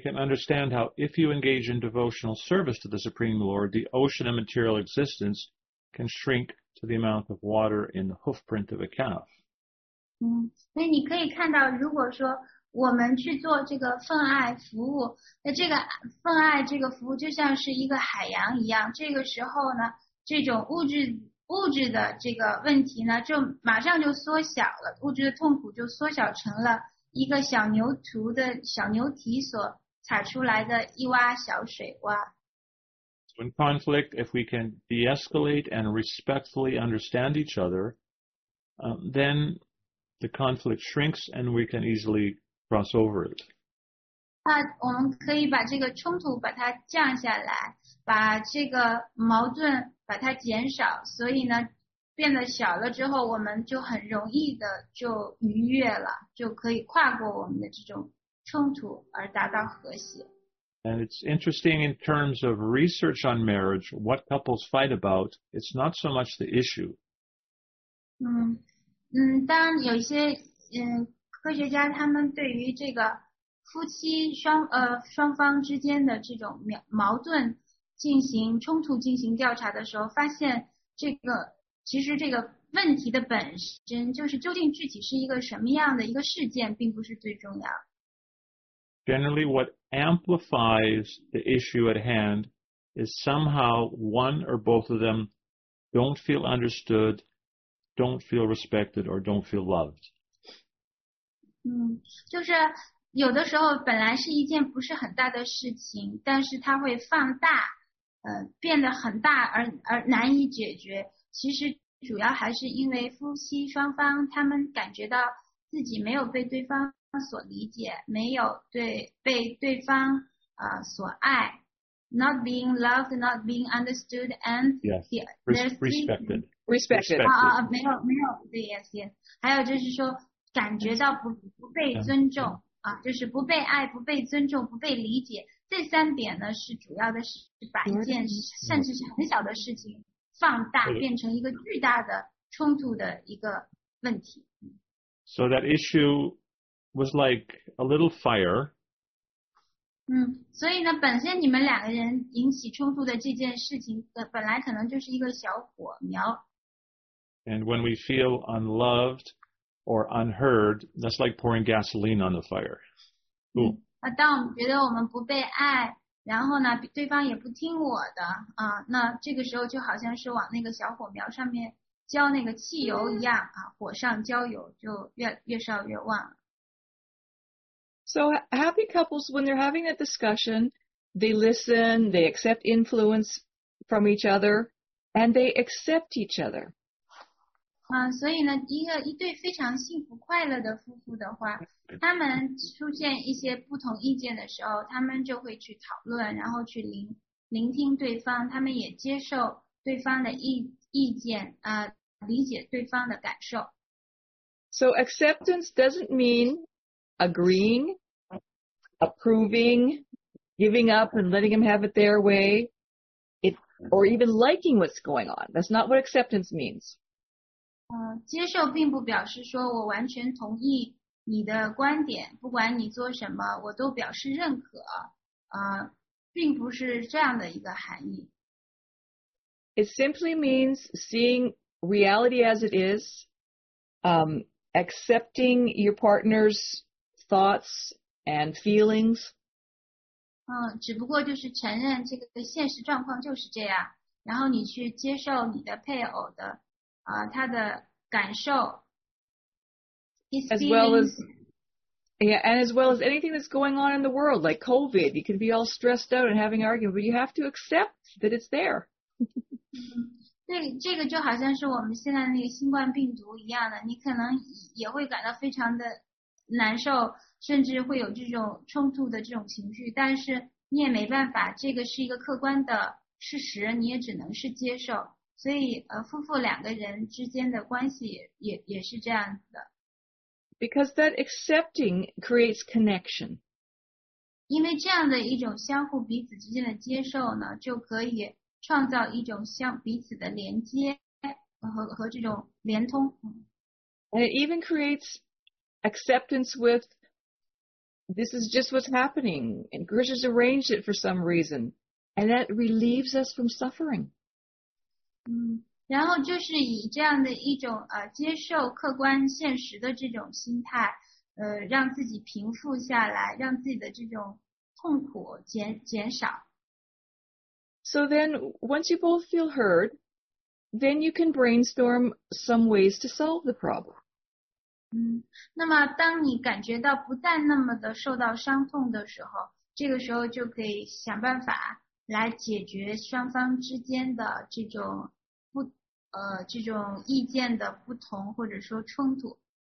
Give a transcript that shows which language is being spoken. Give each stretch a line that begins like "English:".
English: can understand how if you engage in devotional service to the Supreme Lord, the ocean of material existence can shrink to the amount of water in the hoof print of a calf.
Chinese: 所以你可以看到，如果说 我们去做这个奉爱服务，那这个奉爱这个服务就像是一个海洋一样，这个时候呢，这种物质物质的这个问题呢就马上就缩小了，物质的痛苦就缩小成了一个小牛犊的小牛蹄所踩出来的一洼小水洼。
English: In conflict, if we can de-escalate and respectfully understand each other, then the conflict shrinks and we can easily cross over it.
Chinese: 我们可以把这个冲突把它降下来，把这个矛盾把它减少，所以呢，变得小了之后，我们就很容易的就逾越了，就可以跨过我们的这种冲突而达到和谐。
English: And it's interesting in terms of research on marriage, what couples fight about, it's not so much the issue.
Chinese: 当有一些科学家他们对于这个夫妻双方之间的这种矛盾进行冲突进行调查的时候，发现这个其实这个问题的本身就是究竟具体是一个什么样的一个事件并不是最重要。
English: Generally, what amplifies the issue at hand is somehow one or both of them don't feel understood, don't feel respected, or don't feel loved.
Chinese: 就是有的时候本来是一件不是很大的事情，但是它会放大，变得很大而难以解决。其实主要还是因为夫妻双方他们感觉到自己没有被对方所理解，没有被对方所爱，
English: not being loved, not being understood, and respected.
Chinese: 还有就是说感觉到不被尊重、yeah. 就是不被爱，不被尊重，不被理解，这三点呢是主要的，是把一件甚至是很小的事情放大、yeah. 变成一个巨大的冲突的一个问题。
English: So that issue was like a little fire.
Chinese: 所以呢，本身你们两个人引起冲突的这件事情，本来可能就是一个小火苗。
English: And when we feel unloved or unheard, that's like pouring gasoline on the fire.
Chinese: 当我们觉得我们不被爱，然后呢，对方也不听我的，那这个时候就好像是往那个小火苗上面浇那个汽油一样，火上浇油，就越烧越旺了。
English: So happy couples, when they're having a discussion, they listen, they accept influence from each other, and they accept each other.
Chinese: 所以呢，一对非常幸福快乐的夫妇的话，他们出现一些不同意见的时候，他们就会去讨论，然后去聆听对方，他们也接受对方的意见，理解对方的感受。
English: So acceptance doesn't meanagreeing, approving, giving up and letting them have it their way, or even liking what's going on. That's not what acceptance means.
Chinese: 接受并不表示说我完全同意你的观点，不管你做什么我都表示认可，并不是这样的一个含义。
English: It simply means seeing reality as it is, accepting your partner'sthoughts and feelings.
Chinese: 只不过就是承认这个现实状况就是这样，然后你去接受你的配偶的他的感受。
English: As well as anything that's going on in the world, like COVID, you can be all stressed out and having arguments, but you have to accept that it's there.
Chinese: 这个就好像是我们现在那个新冠病毒一样的，你可能也会感到非常的难受，甚至会有这种冲突的这种情绪，但是你也没办法，这个是一个客观的事实，你也只能是接受。所以夫妇两个人之间的关系也是这样子的。
English: Because that accepting creates connection.
Chinese: 因为这样的一种相互彼此之间的接受呢，就可以创造一种相彼此的连接和这种连通。
English: And it even createsacceptance with this is just what's happening and Grisha's arranged it for some reason and that relieves us from suffering.
Chinese: 然后就是以这样的一种接受客观现实的这种心态让自己平复下来，让自己的这种痛苦减少。
English: So then once you both feel heard, then you can brainstorm some ways to solve the problem.
Chinese: 那么当你感觉到不再那么的受到伤痛的时候，这个时候就可以想办法来解决双方之间的这种不这种意见的不同或者说冲突。